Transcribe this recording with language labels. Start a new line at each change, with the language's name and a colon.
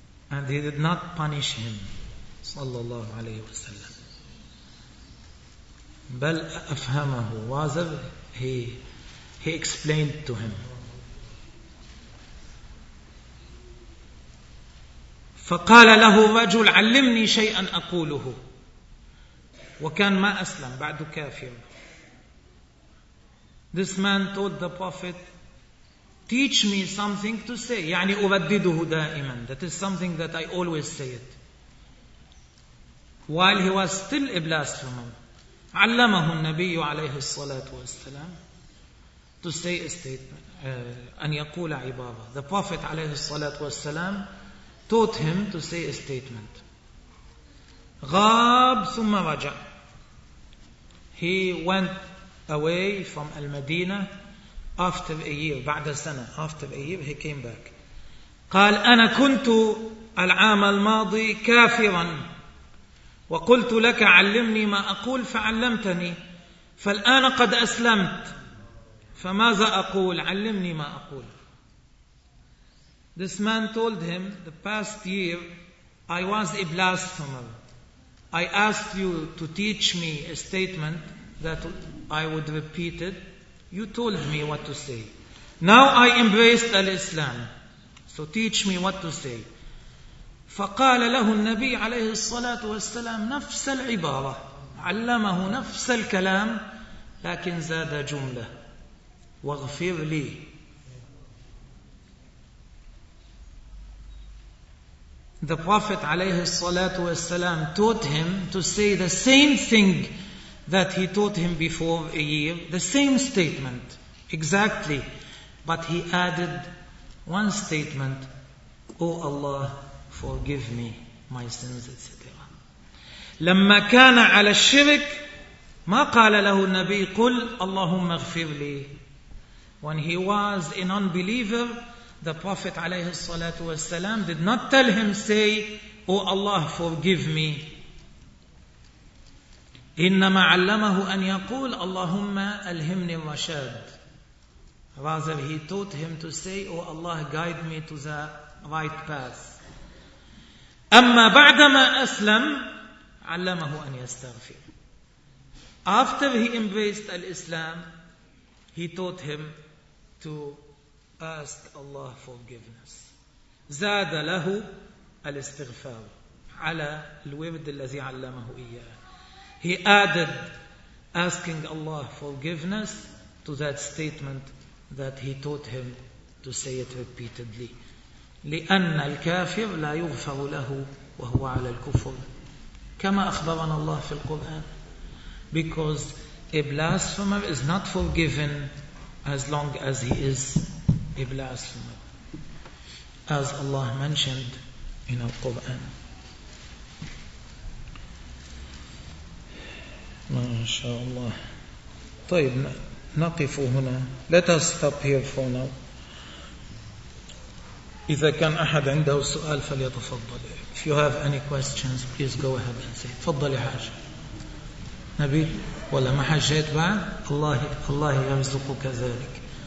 English: And he did not punish him.
Arabic: صلى الله عليه وسلم. بل أفهمه.
English: Rather, he explained to him.
Arabic: فقال له رجل علمني شيئا أقوله. وكان ما أسلم بعد كافر.
English: This man told the Prophet, teach me something to say.
Arabic: يعني أردده دائما.
English: That is something that I always say it. While he was still a blasphemer,
Arabic: علمه النبي عليه الصلاة والسلام
English: to say a statement,
Arabic: أن يقول عبارة.
English: The Prophet
Arabic: عليه الصلاة والسلام
English: taught him to say a statement.
Arabic: غاب ثم رجع.
English: He went away from المدينة after a year,
Arabic: بعد سنة,
English: after a year he came back.
Arabic: قال أنا كنت العام الماضي كافرا وقلت لك علمني ما أقول فعلمتني، فالآن قد أسلمت فماذا أقول؟ علمني ما أقول.
English: This man told him, the past year I was a blasphemer. I asked you to teach me a statement that I would repeat it. You told me what to say. Now I embraced al-Islam. So teach me what to say.
Arabic: فقال له النبي عليه الصلاة والسلام نفس العبارة. علمه نفس الكلام لكن زاد جملة. واغفر لي.
English: The Prophet
Arabic: عليه الصلاة والسلام
English: taught him to say the same thing that he taught him before a year, the same statement, exactly. But he added one statement, O Allah, forgive me my sins, etc.
Arabic: لما كان على الشرك ما قال له النبي قل اللهم اغفر لي.
English: When he was an unbeliever, the Prophet
Arabic: عليه الصلاة والسلام
English: did not tell him, say, O Allah, forgive me.
Arabic: إنما علمه أن يقول اللهم ألهمني الرشاد.
English: Rather, he taught him to say, O Allah, guide me to the right path.
Arabic: أما بعدما أسلم علمه أن يستغفر.
English: After he embraced al-Islam, he taught him to ask Allah forgiveness.
Arabic: زاد له الاستغفار على الورد الذي علمه إياه.
English: He added asking Allah forgiveness to that statement that he taught him to say it repeatedly.
Arabic: لأن الكافر لا يغفر له وهو على الكفر كما أخبرنا الله في القرآن.
English: Because a blasphemer is not forgiven as long as he is a blasphemer, as Allah mentioned in the Quran.
Arabic: ما شاء الله. طيب نقف هنا.
English: Let us stop here for now.
Arabic: إذا كان أحد عنده سؤال فليتفضل.
English: If you have any questions, please go ahead and say.
Arabic: تفضل يا حاج. نبي ولا ما حجيت بعد؟ الله يرزقك ذلك.